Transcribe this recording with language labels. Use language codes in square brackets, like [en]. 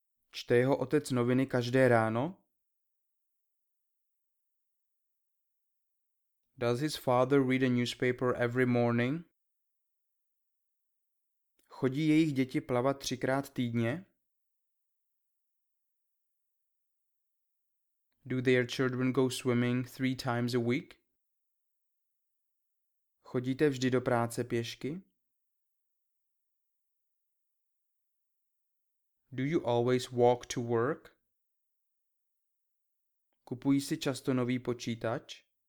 [cs] Čte jeho otec noviny každé ráno? [en] Does his father read a newspaper every morning? [cs] Chodí jejich děti plavat třikrát týdně? [en] Do their children go swimming 3 times a week? [cs] Chodíte vždy do práce pěšky? [en] Do you always walk to work? [cs] Kupují si často nový počítač?